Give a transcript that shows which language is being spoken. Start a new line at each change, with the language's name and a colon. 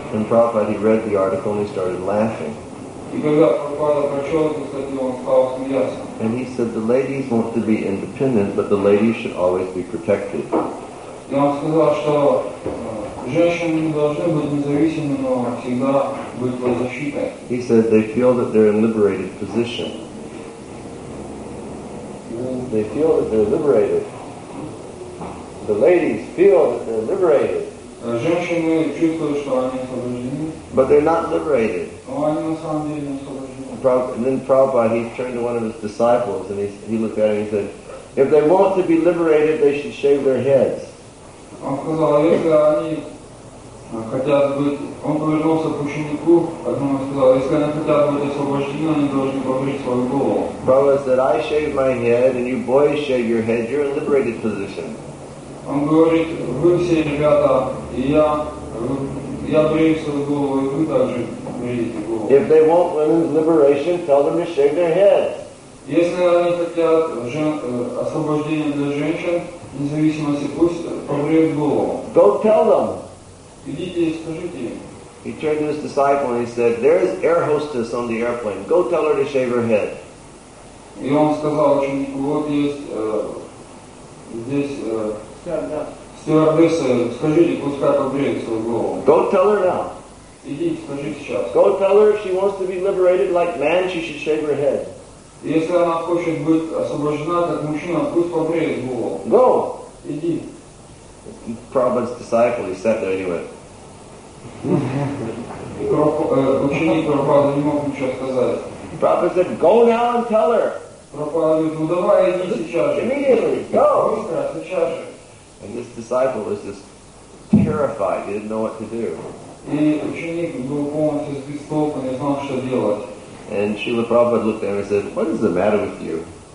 English: And Prabhupada, he read the article and he started laughing.
Russian: И когда Прабхупада прочел эту статью, он стал смеяться.
English: And he said, the ladies want to be independent, but the ladies should always be protected.
Russian: И он сказал, что женщины не должны быть независимыми, но всегда быть под защитой.
English: He said they feel that they're in liberated position. They feel that they're liberated. The ladies feel that they're liberated.
Russian: Женщины чувствуют, что они освобождены.
English: But they're not liberated.
Russian: Но они на самом деле не освобождены.
English: And then Prabhupada, he turned to one of his disciples and he looked at him and he said, if they want to be liberated, they should shave their heads.
Russian: Он сказал, если они хотят быть... Он повернулся к ученику, одному сказал, если они хотят быть освобождены, они должны побрить свою голову.
English: Prabhupada said, I shave my head, and you boys shave your head, you're in a liberated position.
Russian: Он говорит, вы все ребята, и я брею свою голову, и вы также бреете голову.
English: If they want women's liberation, tell them to shave their heads.
Russian: Если они хотят освобождения для женщин, независимости, пусть побреют голову.
English: Go tell them.
Russian: Идите и скажите им.
English: He turned to his disciple and he said, there's air hostess on the airplane. Go tell her to shave her head.
Russian: И он сказал ученику, вот есть здесь стюардесса, скажите, пускай побреют свою голову.
English: Go tell her now.
Russian: Идите, скажите сейчас.
English: Go tell her if she wants to be liberated like man, she should shave her head.
Russian: Если она хочет быть освобождена как мужчина, пусть побреет голову.
English: Go!
Russian: Иди.
English: Prabhupada's disciple, he sat there anyway.
Russian: Ученик Прабхупады не мог ничего сказать.
English: Prabhupada said, go now and tell her!
Russian: Прабхупада говорит, ну давай, иди сейчас же.
English: Immediately, go!
Russian: Быстро, сейчас же.
English: And this disciple was just terrified, he didn't know what to do.
Russian: И ученик был полностью сбит с толку, не знал, что делать.
English: And Srila Prabhupada looked at him and said, what is the matter with you?